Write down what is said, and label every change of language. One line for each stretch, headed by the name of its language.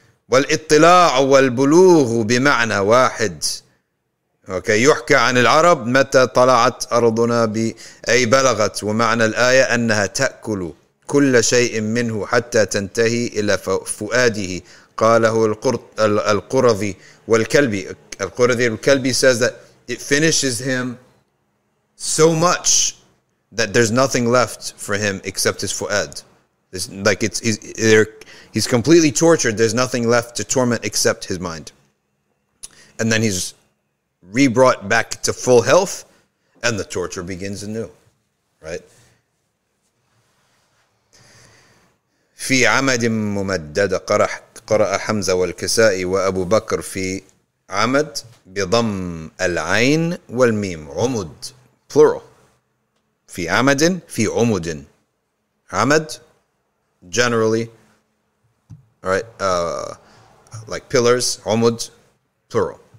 Arabic: والاطلاع والبلوغ بمعنى واحد. Okay, يحكى عن العرب متى طلعت أرضنا بأي بلغت ومعنى الآية أنها تأكل كل شيء منه حتى تنتهي إلى فؤاده قاله القرظي والكلبي.
English: القرظي والكلبي says that it finishes him so much that there's nothing left for him except his fuad. It's like he's completely tortured. There's nothing left to torment except his mind. And then he's re-brought back to full health, and the torture begins anew, right?
Arabic: في عمد ممدد قرأ حمزة والكسائي وأبو بكر في عمد بضم العين والميم عمد plural في عمد في عمد عمد
English: generally, all right, like pillars,
Arabic: عمود, plural.